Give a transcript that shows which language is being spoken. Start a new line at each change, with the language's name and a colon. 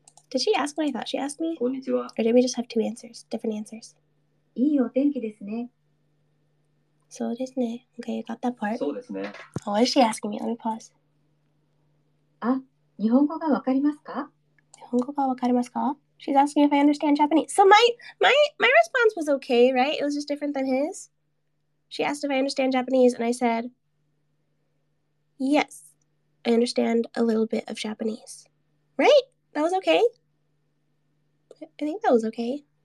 English: Did she ask what I thought? She asked me?
Japanese: こんにちは。
English: Or did we just have two answers? Different answers?
Japanese: いいお天気ですね。そうですね。
English: Okay, you got that part?
Japanese: そうですね。
English: Oh, what is she asking me? Let me pause.
Japanese: あ、日本語がわかりますか？日本語がわかりますか？
English: She's asking if I understand Japanese. So my response was okay, right? It was just different than his. She asked if I understand Japanese, and I said... Yes, I understand a little bit of Japanese. Right? That was okay? I think that was okay.